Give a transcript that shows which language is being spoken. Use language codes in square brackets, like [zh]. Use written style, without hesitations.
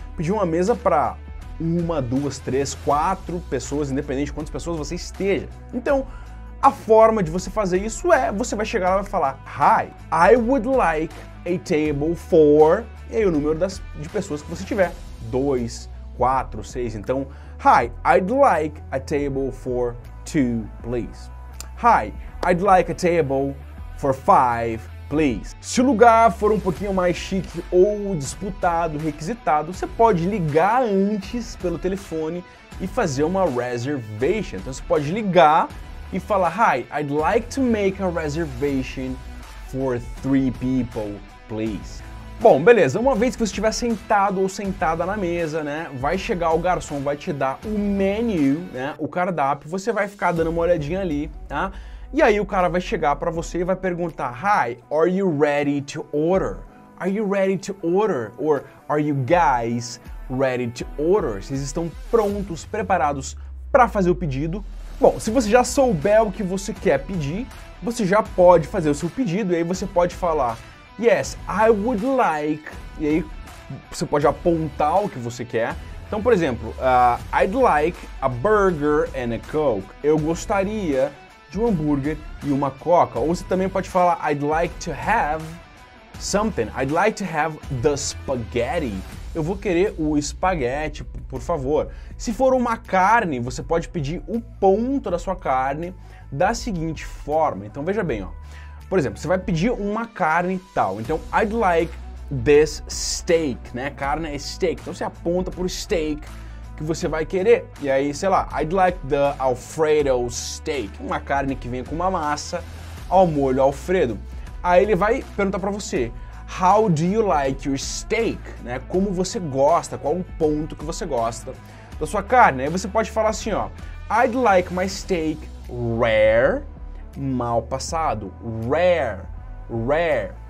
[pt] Pedir uma mesa para uma, duas, três, quatro pessoas, independente de quantas pessoas você esteja. Então, a forma de você fazer isso é, você vai chegar lá e vai falar: [en] "Hi, I would like a table for..." [pt] E aí o número de pessoas que você tiver. Dois, quatro, seis. Então, [en] "Hi, I'd like a table for two, please. Hi, I'd like a table for five, please." [pt] Se o lugar for um pouquinho mais chique ou disputado, requisitado, você pode ligar antes pelo telefone e fazer uma reservation. Então você pode ligar e falar: [en] "Hi, I'd like to make a reservation for three people, please." [pt] Bom, beleza. Uma vez que você estiver sentado ou sentada na mesa, né, vai chegar o garçom, vai te dar o menu, né, o cardápio, você vai ficar dando uma olhadinha ali, tá? E aí o cara vai chegar pra você e vai perguntar: [en] "Hi, are you ready to order? Are you ready to order? Or are you guys ready to order?" [pt] Vocês estão prontos, preparados pra fazer o pedido? Bom, se você já souber o que você quer pedir, você já pode fazer o seu pedido. E aí você pode falar: [en] "Yes, I would like..." [pt] E aí você pode apontar o que você quer. Então, por exemplo, [en] "I'd like a burger and a Coke." [pt] Eu gostaria de um hambúrguer e uma coca. Ou você também pode falar: [en] "I'd like to have something. I'd like to have the spaghetti." [pt] Eu vou querer o espaguete, por favor. Se for uma carne, você pode pedir o ponto da sua carne da seguinte forma. Então veja bem, ó. Por exemplo, você vai pedir uma carne tal. Então, [en] "I'd like this steak," [pt] né? Carne é steak. Então você aponta pro steak que você vai querer. E aí, sei lá, [en] "I'd like the Alfredo steak." [pt] Uma carne que vem com uma massa ao molho Alfredo. Aí ele vai perguntar pra você: [en] "How do you like your steak?" [pt] Né? Como você gosta, qual o ponto que você gosta da sua carne. Aí você pode falar assim, ó: [en] "I'd like my steak rare," [pt] mal passado, [en] rare, rare.